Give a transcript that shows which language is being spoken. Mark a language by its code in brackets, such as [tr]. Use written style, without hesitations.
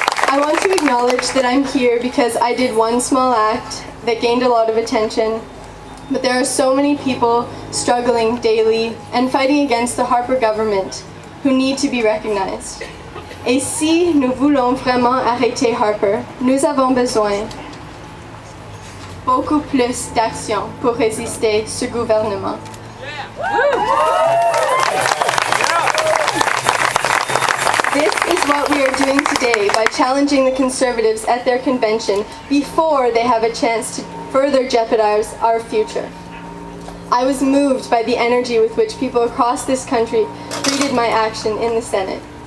[en] I want to acknowledge that I'm here because I did one small act that gained a lot of attention, but there are so many people struggling daily and fighting against the Harper government who need to be recognized. [fr] Et si nous voulons vraiment arrêter Harper, nous avons besoin beaucoup plus d'action pour résister ce gouvernement. [en] This is what we are doing today by challenging the Conservatives at their convention before they have a chance to further jeopardize our future. I was moved by the energy with which people across this country greeted my action in the Senate.